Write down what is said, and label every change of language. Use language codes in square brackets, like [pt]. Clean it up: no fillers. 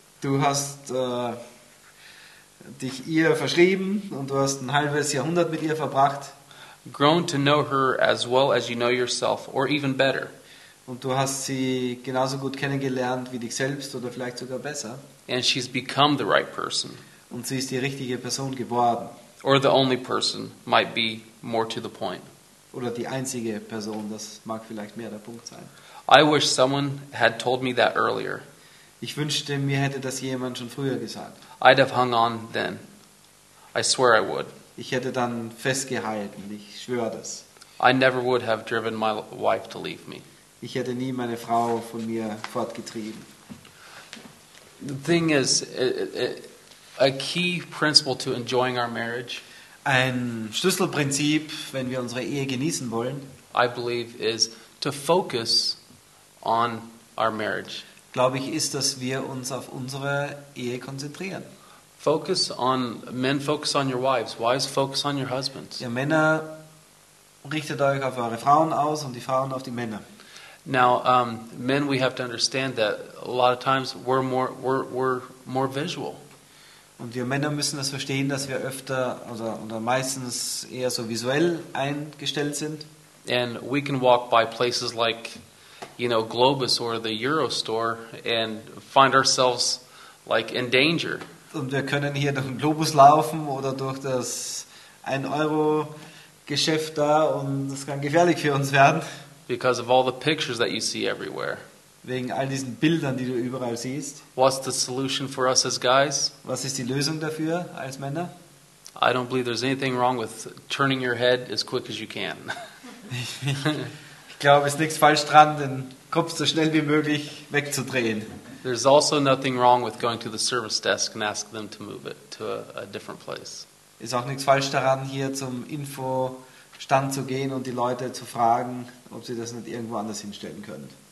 [de] Du hast dich ihr verschrieben und du hast ein halbes Jahrhundert mit ihr verbracht. [en] Grown to know her as well as you know yourself, or even better. [de] Und du hast sie genauso gut kennengelernt wie dich selbst oder vielleicht sogar besser. [en] And she's become the right person. [de] Und sie ist die richtige Person geworden. [en] Or the only person, might be more to the point. [de] Oder die einzige Person, das mag vielleicht mehr der Punkt sein. [en] I wish someone had told me that earlier. [de] Ich wünschte, mir hätte das jemand schon früher gesagt. [en] I'd have hung on then. I swear I would. [de] Ich hätte dann festgehalten, ich schwöre das. [en] I never would have driven my wife to leave me. [de] Ich hätte nie meine Frau von mir fortgetrieben. [en] The thing is, a key principle to enjoying our marriage, [de] ein Schlüsselprinzip, wenn wir unsere Ehe genießen wollen, [en] I believe is to focus on our marriage. [de] Glaube ich, ist, dass wir uns auf unsere Ehe konzentrieren. [en] Focus on men, focus on your wives. Wives, focus on your husbands. [de] Ihr Männer, richtet euch auf eure Frauen aus und die Frauen auf die Männer. [en] Now, men, we have to understand that a lot of times we're more visual. [de] Und wir Männer müssen das verstehen, dass wir öfter oder meistens eher so visuell eingestellt sind. [en] And we can walk by places like, you know, Globus or the Eurostore and find ourselves like in danger. [de] Und wir können hier durch den Globus laufen oder durch das 1-Euro-Geschäft da und das kann gefährlich für uns werden. [en] Because of all the pictures that you see everywhere. [de] Wegen all diesen Bildern, die du überall siehst. [en] What's the solution for us as guys? [de] Was ist die Lösung dafür als Männer? [en] I don't believe there's anything wrong with turning your head as quick as you can. [de] Ich glaube, es ist nichts falsch dran, den Kopf so schnell wie möglich wegzudrehen. [en] There's also nothing wrong with going to the service desk and ask them to move it to a different place. [de] Ist auch nichts falsch daran, hier zum Infostand zu gehen und die Leute zu fragen, ob sie das nicht irgendwo anders hinstellen können.